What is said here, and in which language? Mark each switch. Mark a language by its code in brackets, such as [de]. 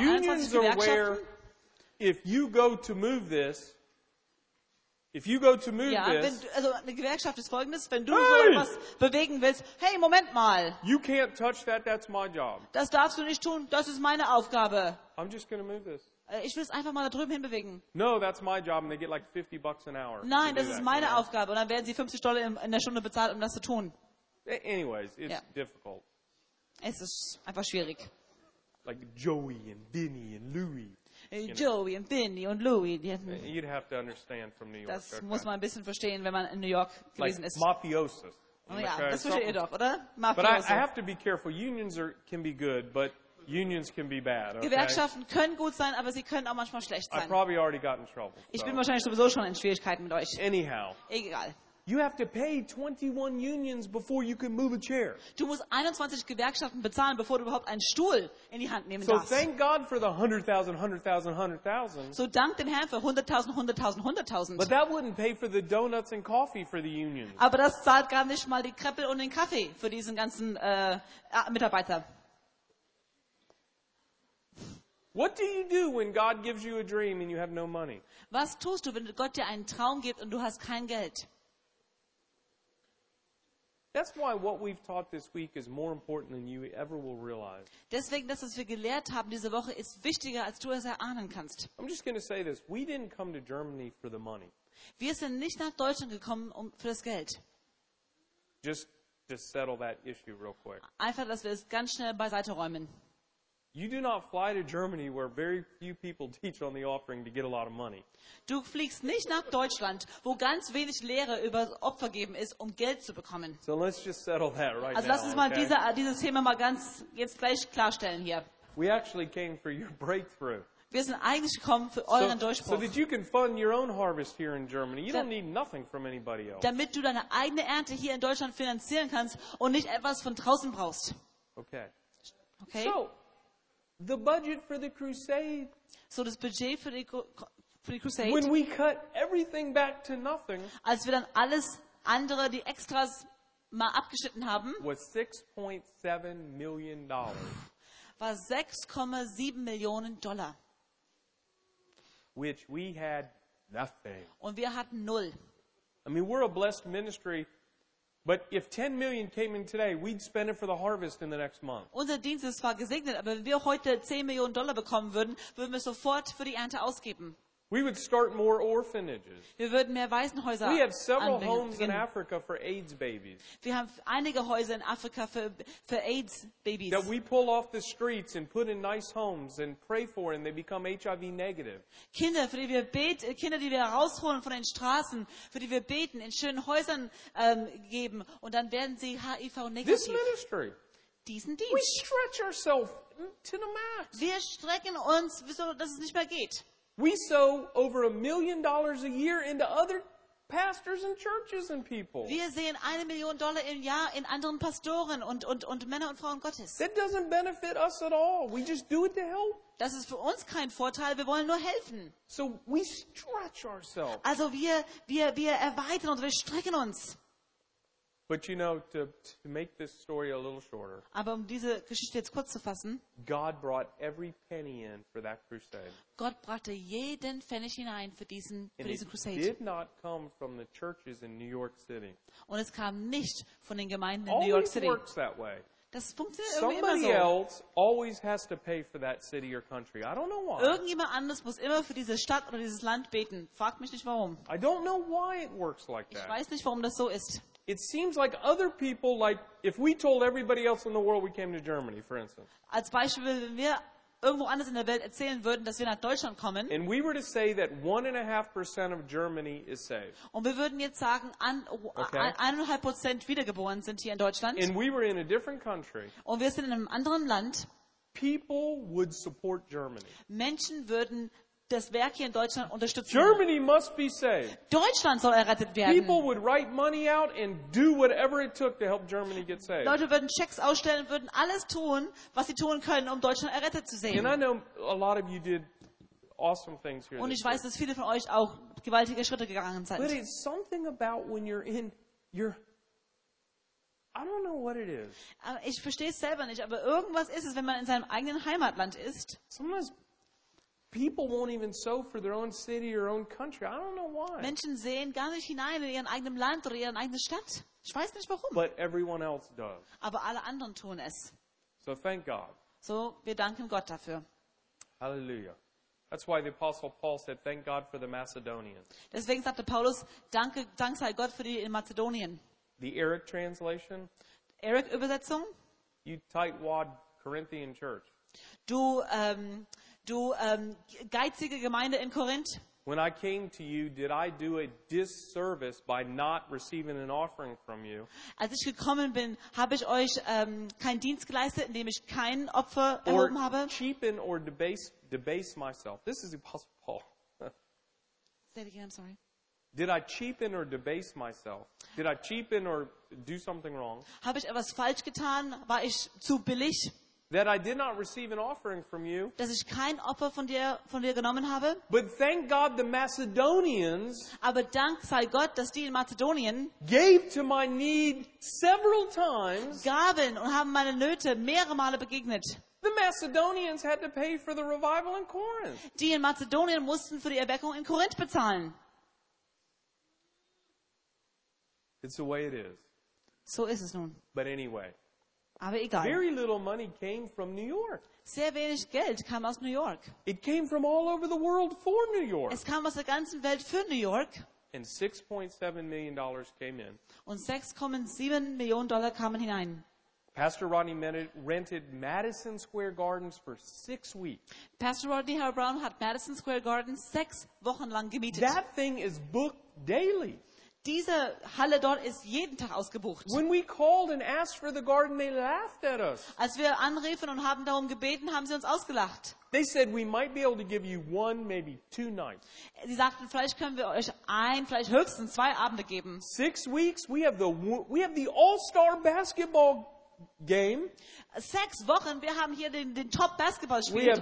[en] Unions are where if you go to move this, If you go to move [de] also eine Gewerkschaft ist folgendes, wenn du so etwas bewegen willst, hey, Moment mal. [en] You can't touch that, that's my job. [de] Das darfst du nicht tun, das ist meine Aufgabe. [en] I'm just gonna move this. [de] Ich will es einfach mal da drüben hinbewegen. [en] No, that's my job and they get like 50 bucks an hour. [de] Nein, das ist meine Aufgabe und dann werden sie $50 in der Stunde bezahlt, um das zu tun. [en] Anyways, it's difficult. [de] Es ist einfach schwierig. [en] Like Joey and Vinny and Louie. [de] Joey und Vinny und Louie. [en] You'd have to understand from New York. [de] Das muss man ein bisschen verstehen, wenn man in New York gewesen ist. [en] Like mafiosos. [de] Ja, das versteht ihr doch, oder? Mafiosos. [en] But I have to be careful. Unions can be good, but unions can be bad. Okay? [de] Gewerkschaften können gut sein, aber sie können auch manchmal schlecht sein. [en] I probably already got in trouble. [de] Ich bin wahrscheinlich sowieso schon in Schwierigkeiten mit euch. [en] Anyhow. [de] Egal. [en] You have to pay 21 unions before you can move a chair. [de] Du musst 21 Gewerkschaften bezahlen, bevor du überhaupt einen Stuhl in die Hand nehmen darfst. [en] So thank God for the 100,000, 100,000, 100,000. [de] So dank dem Herrn für 100,000, 100,000, 100,000. [en] But that wouldn't pay for the donuts and coffee for the unions. [de] Aber das zahlt gar nicht mal die Kreppel und den Kaffee für diesen ganzen Mitarbeiter. [en] What do you do when God gives you a dream and you have no money? [de] Was tust du, wenn Gott dir einen Traum gibt und du hast kein Geld? [en] That's why what we've taught this week is more important than you ever will realize. [de] Deswegen, das, was wir gelehrt haben diese Woche, ist wichtiger, als du es erahnen kannst. [en] I'm just going to say this: we didn't come to Germany for the money. [de] Wir sind nicht nach Deutschland gekommen für das Geld. [en] Just settle that issue real quick. [de] Einfach, dass wir es ganz schnell beiseite räumen. [en] You do not fly to Germany where very few people teach on the offering to get a lot of money. [de] Du fliegst nicht nach Deutschland, wo ganz wenig Lehre über das Opfer geben ist, um Geld zu bekommen. [en] So let's just settle that right now. [de] Also lass uns mal dieses Thema mal ganz jetzt gleich klarstellen hier. [en] We actually came for your breakthrough. [de] Wir sind eigentlich gekommen für euren Durchbruch. [en] So that you can fund your own harvest here in Germany. You don't need nothing from anybody else. [de] Damit du deine eigene Ernte hier in Deutschland finanzieren kannst und nicht etwas von draußen brauchst. [en] Okay. [de] Okay. [en] The budget for the crusade. [de] So das Budget für die Crusade. [en] When we cut everything back to nothing. [de] Als wir dann alles andere, die Extras mal abgeschnitten haben. [en] Was $6.7 million. [de] War 6,7 Millionen Dollar. [en] Which we had nothing. [de] Und wir hatten null. [en] I mean, we're a blessed ministry. But if 10 million came in today, we'd spend it for the harvest in the next month. [de] Unser Dienst ist zwar gesegnet, aber wenn wir heute 10 Millionen Dollar bekommen würden, würden wir sofort für die Ernte ausgeben. [en] We would start more orphanages. [de] Wir würden mehr Waisenhäuser anlegen. [en] We have several homes in Africa for AIDS babies. [de] Wir haben einige Häuser in Afrika für AIDS Babies. [en] That we pull off the streets and put in nice homes and pray for and they become HIV negative. [de] Kinder, für die wir beten, Kinder, die wir rausholen von den Straßen, für die wir beten, in schönen Häusern geben und dann werden sie HIV negativ. [en] This ministry. [de] Diesen Dienst. [en] We stretch ourselves to the max. [de] Wir strecken uns, so dass es nicht mehr geht. [en] We sow over $1 million a year into other pastors and churches and people. [de] Wir sehen 1 Million Dollar im Jahr in anderen Pastoren und Männer und Frauen Gottes. [en] That doesn't benefit us at all. We just do it to help. [de] Das ist für uns kein Vorteil. Wir wollen nur helfen. [en] So we stretch ourselves. [de] Also wir erweitern uns, wir strecken uns. [en] But you know, to make this story a little shorter. [de] Aber um diese Geschichte jetzt kurz zu fassen. [en] God brought every penny in for that crusade. [de] Gott brachte jeden Pfennig hinein für diese Crusade. [en] It did not come from the churches in New York City. [de] Und es kam nicht von den Gemeinden in [en] always [de] New York City. [en] Always works that way. [de] Das funktioniert [en] Somebody [de] irgendwie immer so. [en] Somebody else always has to pay for that city or country. I don't know why. [de] Irgendjemand anders muss immer für diese Stadt oder dieses Land beten. Frag mich nicht warum. [en] I don't know why it works like that. [de] Ich weiß nicht, warum das so ist. [en] It seems like other people, like if we told everybody else in the world we came to Germany, for instance. [de] Als Beispiel, wenn wir irgendwo anders in der Welt erzählen würden, dass wir nach Deutschland kommen. [en] And we were to say that 1.5% of Germany is saved. [de] Und wir würden jetzt sagen, 1.5% wiedergeboren sind hier in Deutschland. [en] And we were in a different country. [de] Und wir sind in einem anderen Land. [en] People would support Germany. [de] Menschen würden das Werk hier in Deutschland unterstützen. [en] Germany must be saved. [de] Deutschland soll errettet werden. [en] People would write money out and do whatever it took to help Germany get saved. [de] Leute würden Checks ausstellen, würden alles tun, was sie tun können, um Deutschland errettet zu sehen. [en] And I know a lot of you did awesome things here. [de] Und ich weiß, dass viele von euch auch gewaltige Schritte gegangen sind. [en] But it's something about when you're in your I don't know what it is. [de] Ich verstehe es selber nicht, aber irgendwas ist es, wenn man in seinem eigenen Heimatland ist. [en] Sometimes People won't even sow for their own city or own country. I don't know why. [de] Menschen sehen gar nicht hinein in ihren eigenen Land oder ihren eigenen Stadt. Ich weiß nicht warum. [en] But everyone else does. [de] Aber alle anderen tun es. [en] So thank God. [de] So wir danken Gott dafür. Hallelujah. [en] That's why the apostle Paul said thank God for the Macedonians. [de] Deswegen sagte Paulus, dank sei Gott für die in Mazedonien. [en] The Eric translation? [de] Eric Übersetzung? [en] You tightwad Corinthian church. [de] Du geizige Gemeinde in Korinth. [en] When I came to you, did I do a disservice by not receiving an offering from you? [de] Als ich gekommen bin, habe ich euch keinen Dienst geleistet, indem ich kein Opfer erhoben habe? [en] Or cheapen or debase myself? This is Apostle Paul. Say it again, I'm sorry. Did I cheapen or debase myself? Did I cheapen or do something wrong? [de] Habe ich etwas falsch getan? War ich zu billig? [en] That I did not receive an offering from you. [de] Dass ich kein Opfer von dir genommen habe. [en] But thank God the Macedonians. [de] Aber dank sei Gott, dass die in Mazedonien [en] gave to my need several times. [de] Gaben und haben meine Nöte mehrere Male begegnet. [en] The Macedonians had to pay for the revival in Corinth. [de] Die in Mazedonien mussten für die Erweckung in Korinth bezahlen. [en] It's the way it is. [de] So ist es nun. [en] But anyway. [de] Aber egal. [en] Very little money came from New York. [de] Sehr wenig Geld kam aus New York. [en] It came from all over the world for New York. [de] Es kam aus der ganzen Welt für New York. [en] And $6.7 million came in. [de] Und 6,7 Millionen Dollar kamen hinein. [en] Pastor Rodney rented Madison Square Gardens for 6 weeks. [de] Pastor Rodney Howard Brown hat Madison Square Gardens 6 Wochen lang gemietet. [en] That thing is booked daily. [de] Diese Halle dort ist jeden Tag ausgebucht. [en] When we called and asked for the garden, they laughed at us. [de] Als wir anriefen und haben darum gebeten, haben sie uns ausgelacht. [en] They said we might be able to give you one, maybe two nights. [de] Sie sagten, vielleicht können wir euch ein, vielleicht höchstens 2 Abende geben. [en] 6 weeks, we have the All-Star basketball game. [de] 6 Wochen, wir haben hier den Top Basketballspiel drin.